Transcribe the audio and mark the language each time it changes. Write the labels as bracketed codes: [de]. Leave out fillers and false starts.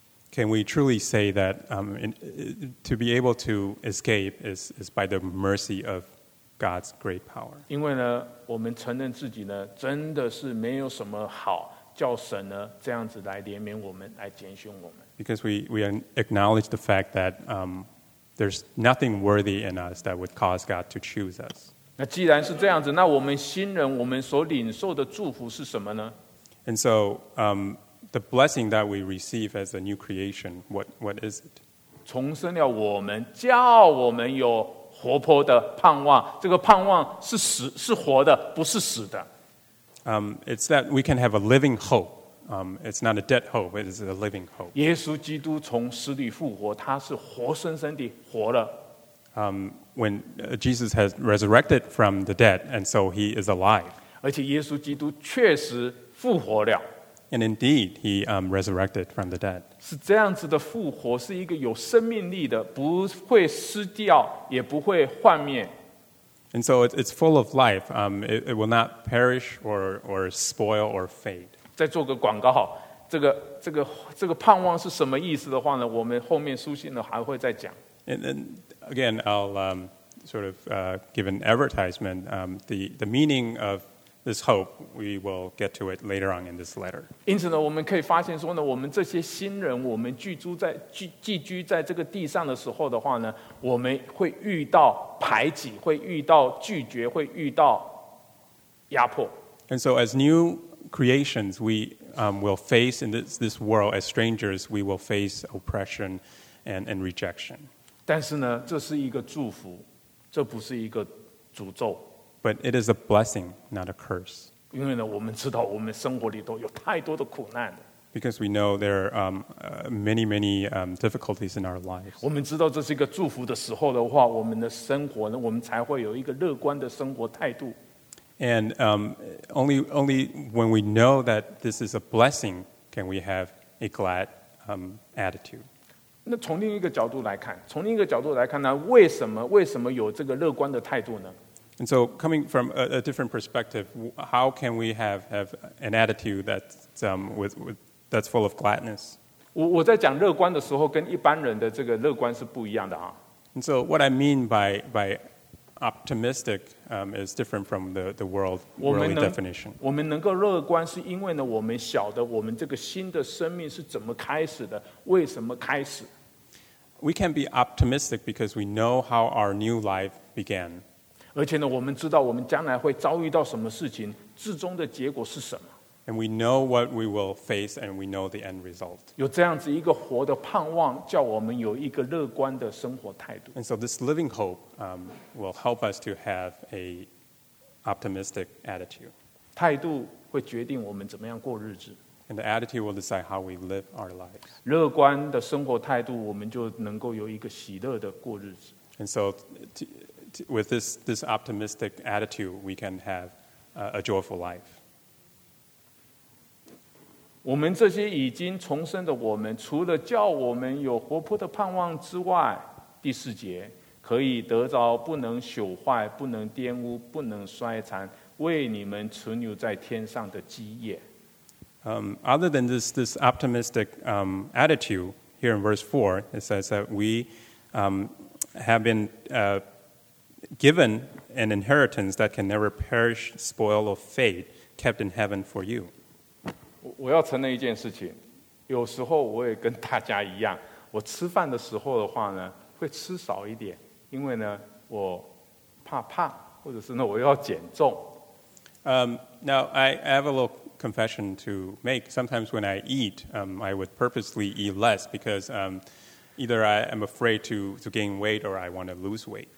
[en] can we truly say that to be able to escape is by the mercy of God's great power? [zh] 因为呢, 我们承认自己呢, 真的是没有什么好, 叫神呢, 这样子来怜悯我们, 来拣选我们。 [en] Because we acknowledge the fact that there's nothing worthy in us that would cause God to choose us. [zh] 那既然是这样子, 那我们新人, 我们所领受的祝福是什么呢? [en] And so, the blessing that we receive as a new creation, what is it? [zh] 重生了我们, 叫我们有活泼的盼望, 这个盼望是活的, 不是死的。 [en] It's that we can have a living hope. It's not a dead hope, it is a living hope. [zh] 耶稣基督从死里复活, 祂是活生生地, 活了。 [en] When Jesus has resurrected from the dead, and so he is alive. [zh] 而且耶稣基督确实复活了。 [en] And indeed, he resurrected from the dead. [zh] 是这样子的复活, 是一个有生命力的, 不会失掉, 也不会幻灭。 [en] And so it's full of life. It will not perish or spoil or fade. [zh] 再做个广告, 这个盼望是什么意思的话呢, 我们后面书信呢还会再讲。 [en] And again, I'll sort of give an advertisement. The meaning of this hope, we will get to it later on in this letter. [zh] 因此呢, 我们可以发现说呢, 我们这些新人, 我们居住在, 寄居在这个地上的时候的话呢, 我们会遇到排挤, 会遇到拒绝, 会遇到压迫。 [en] And so as new creations, we will face in this world, as strangers, we will face oppression and rejection. [zh] 但是呢, 这是一个祝福, 这不是一个诅咒。 [en] But it is a blessing, not a curse. [zh] 因为呢, 我们知道 我们生活里都有太多的苦难。 [en] Because we know there are many difficulties in our lives. [zh] 我们知道这是一个祝福的时候的话, 我们的生活呢, 我们才会有一个乐观的生活态度。 [en] And only when we know that this is a blessing can we have a glad attitude. [zh] 那从另一个角度来看呢, 为什么有这个乐观的态度呢? [en] And so coming from a different perspective, how can we have an attitude that's full of gladness? [zh] 我在讲乐观的时候跟一般人的这个乐观是不一样的啊。 [en] And so what I mean by optimistic is different from the worldly definition. [zh] 我们能够乐观是因为呢, 我们晓得我们这个新的生命是怎么开始的, 为什么开始。 [en] We can be optimistic because we know how our new life began. [zh] 而且呢, 我们知道我们将来会遭遇到什么事情, 最终的结果是什么。 [en] And we know what we will face and we know the end result. [zh] 有这样子一个活的盼望, 叫我们有一个乐观的生活态度。 [en] And so this living hope will help us to have an optimistic attitude. [zh] 态度会决定我们怎么样过日子。 [en] And the attitude will decide how we live our lives. [zh] 乐观的生活态度, 我们就能够有一个喜乐的过日子。 [en] And so with this optimistic attitude, we can have a joyful life. [zh] 我们这些已经重生的我们, 除了叫我们有活泼的盼望之外, 第四节, 可以得着不能朽坏, 不能玷污, 不能衰残, 为你们存留在天上的基业。 [en] Other than this optimistic attitude, here in verse 4, it says that we have been given an inheritance that can never perish, spoil, or fade, kept in heaven for you. [zh] 我要承认一件事情，有时候我也跟大家一样，我吃饭的时候的话呢，会吃少一点，因为呢，我怕胖，或者是呢，我要减重。 [en] Now I have a little confession to make. Sometimes when I eat, I would purposely eat less because either I am afraid to gain weight or I want to lose weight.